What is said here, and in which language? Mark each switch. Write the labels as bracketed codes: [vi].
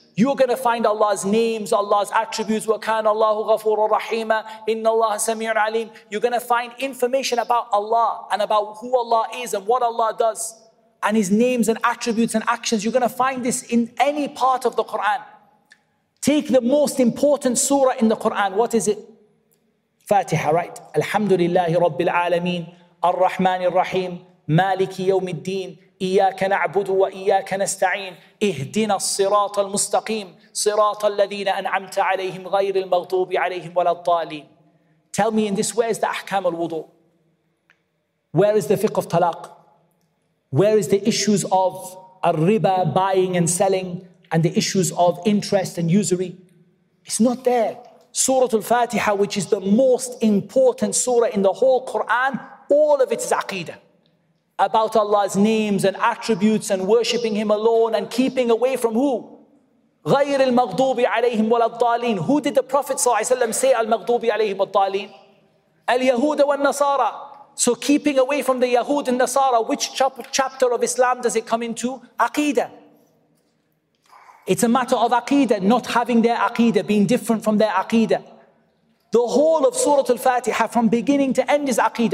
[en] You're going to find Allah's names, Allah's attributes. [ar] وَكَانَ اللَّهُ غَفُورًا رَحِيمًا إِنَّ اللَّهَ سَمِيعٌ عَلِيمٌ. [en] You're going to find information about Allah and about who Allah is and what Allah does and His names and attributes and actions. You're going to find this in any part of the Quran. Take the most important surah in the Quran. What is it? Fatiha, right? [ar] Alhamdulillahi Rabbil Alameen. الرحمن الرحيم مالك يوم الدين إياك نعبد وإياك نستعين اهدنا الصراط المستقيم صراط الذين أنعمت عليهم غير المغضوب عليهم ولا الضالين. [en] Tell me in this, where is the ahkam al-wudu? Where is the fiqh of talaq? Where is the issues of al-riba, buying and selling, and the issues of interest and usury? It's not there. Surah al-Fatiha, which is the most important surah in the whole Quran, all of it is aqeedah, about Allah's names and attributes and worshipping Him alone and keeping away from who? [ar] غير المغضوب عليهم ولا الضالين. [en] Who did the Prophet ﷺ say [ar] المغضوب عليهم الضالين? اليهود والنصارى. [en] So keeping away from the Yahud and Nasara, which chapter of Islam does it come into? Aqeedah. It's a matter of aqeedah, not having their aqeedah, being different from their aqeedah. The whole of Surah Al-Fatiha from beginning to end is aqeedah.